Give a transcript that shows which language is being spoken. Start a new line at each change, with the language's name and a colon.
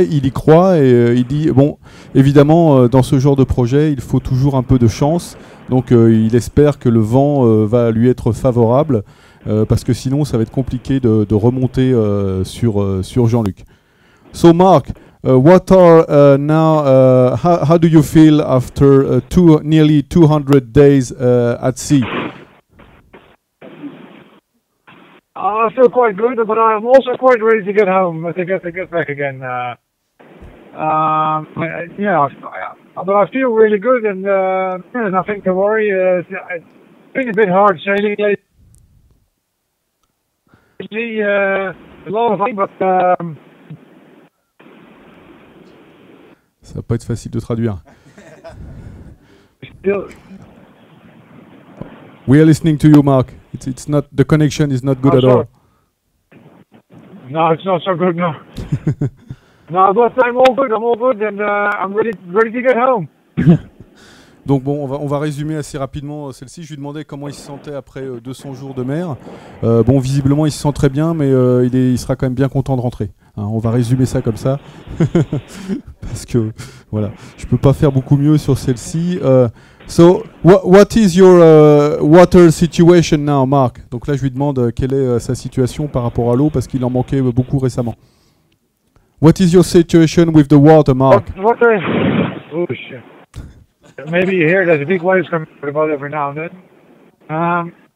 French: Il y croit et il dit bon, évidemment dans ce genre de projet il faut toujours un peu de chance, donc il espère que le vent va lui être favorable parce que sinon ça va être compliqué de remonter sur Jean-Luc.
English: So Mark, what are now? How do you feel after nearly 200 days at sea? I feel quite good, but I'm also quite ready to get home. To get back again. But I feel really good, and nothing to worry. It's been a bit hard sailing lately. A lot of things, but.
French: Ça va pas être facile de traduire.
English: We are listening to you, Mark. It's not the connection is not good not at sure. all. No, it's not so good now. No, but I'm all good, and I'm ready to get home.
French: Donc bon, on va résumer assez rapidement celle-ci. Je lui demandais comment il se sentait après 200 jours de mer. Bon, visiblement, il se sent très bien, mais il sera quand même bien content de rentrer. Hein, on va résumer ça comme ça. Parce que, voilà, je ne peux pas faire beaucoup mieux sur celle-ci.
English: What is your water situation now, Mark?
French: Donc là, je lui demande quelle est sa situation par rapport à l'eau, parce qu'il en manquait beaucoup récemment.
English: What is your situation with the water, Mark? Water is... Oh, shit. Maybe you hear there's a big waves coming from the boat every now and then.